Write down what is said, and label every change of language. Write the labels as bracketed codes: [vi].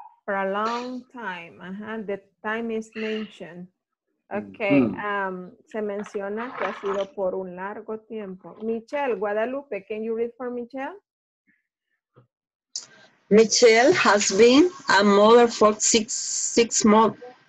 [en] For a long time, the time is mentioned. [es] Okay, se menciona que ha sido por un largo tiempo. [en] Michelle, Guadalupe, can you read for Michelle? Michelle has been a mother for six months.